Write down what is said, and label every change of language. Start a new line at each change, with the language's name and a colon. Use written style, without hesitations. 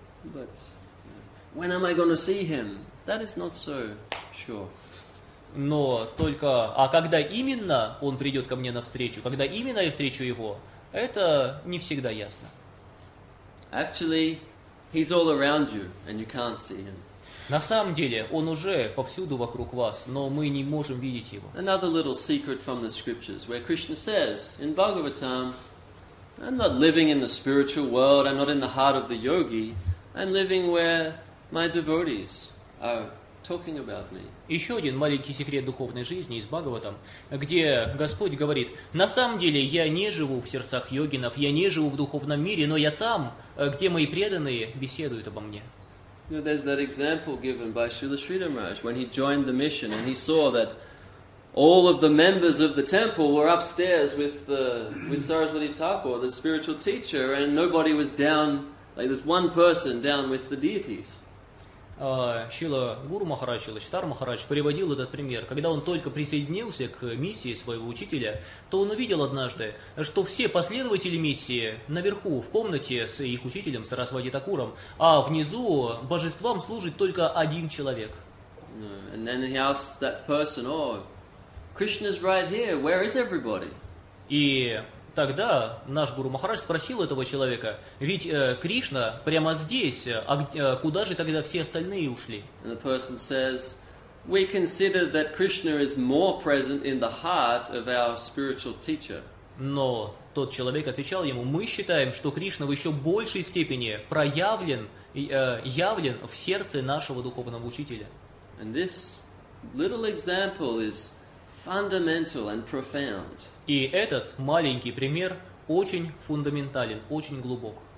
English: But when am I going to see Him? That is not so sure.
Russian: Но только, а когда именно Он придет ко мне навстречу, когда именно я встречу Его, это не всегда ясно.
English: Actually, He's all around you, and you can't see Him.
Russian: На самом деле, он уже повсюду вокруг вас, но мы не можем видеть его.
English: Another little secret from the scriptures, where Krishna says in Bhagavatam, I'm not living in the spiritual world, I'm not in the heart of the yogi, I'm living where my devotees are talking about me.
Russian: Еще один маленький секрет духовной жизни из Бхагаватам, где Господь говорит, на самом деле я не живу в сердцах йогинов, я не живу в духовном мире, но я там, где мои преданные беседуют обо мне.
English: There's that example given by Srila Sridharmaraj when he joined the mission and he saw that all of the members of the temple were upstairs with Saraswati Thakur, the spiritual teacher, and nobody was down, like there's one person down with the deities.
Russian: Шрила Гуру Махарадж, или Читар Махарадж, приводил этот пример. Когда он только присоединился к миссии своего учителя, то он увидел однажды, что все последователи миссии наверху, в комнате с их учителем, Сарасвати Такуром, а внизу божествам служит только один человек.
English: And then he asked that person, oh, Krishna's right here, where is everybody?
Russian: И тогда наш Гуру Махарадж спросил этого человека, ведь Кришна прямо здесь, а куда же тогда все остальные ушли?
English: And the person says, we consider that Krishna is more present in the heart of our spiritual teacher.
Russian: Но тот человек отвечал ему, мы считаем, что Кришна в еще большей степени явлен в сердце нашего духовного учителя.
English: And this little example is fundamental and profound.
Russian: И этот маленький пример очень фундаментален, очень глубок.